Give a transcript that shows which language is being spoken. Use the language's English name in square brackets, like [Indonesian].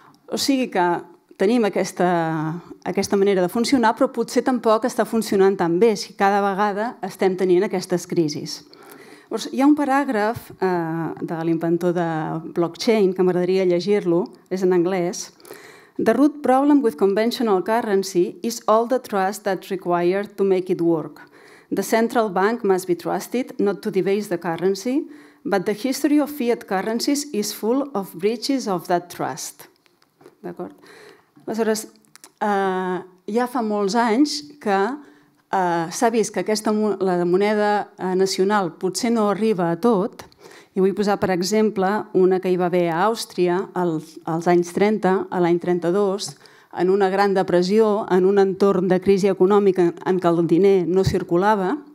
[Catalan] O sigui que tenim aquesta manera de funcionar, però potser tampoc està funcionant tan bé si cada vegada estem tenint aquestes crisis. Llavors, hi ha un paràgraf de l'inventor de blockchain, que m'agradaria llegir-lo, és en anglès. [English] The root problem with conventional currency is all the trust that's required to make it work. The central bank must be trusted not to debase the currency, but the history of fiat currencies is full of breaches of that trust. [Catalan] D'acord? Aleshores, ja fa molts anys que s'ha vist que la moneda nacional potser no arriba a tot, i vull posar per exemple una que hi va haver a Àustria als anys 30, a l'any 32, en una gran depressió, en un entorn de crisi econòmica en què el diner no circulava.